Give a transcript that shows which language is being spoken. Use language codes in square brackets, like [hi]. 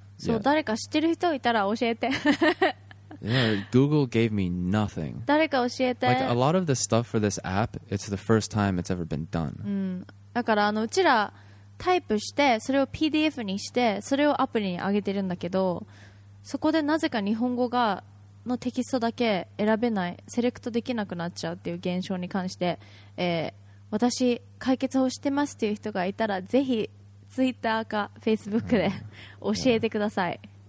[ja] So, 誰か知ってる人いたら教えて。 [en] Yeah, Google gave me nothing. [ja] 誰か教えて。 [en] Like a lot of the stuff for this app, it's the first time it's ever been done. [ja] だからあのうちらタイプしてそれを PDF にしてそれをアプリに上げてるんだけど、そこでなぜか日本語がのテキストだけ選べない、セレクトできなくなっちゃうっていう現象に関して、私解決をしてますっていう人がいたらぜひ Twitter か Facebook で、うん、教えてください。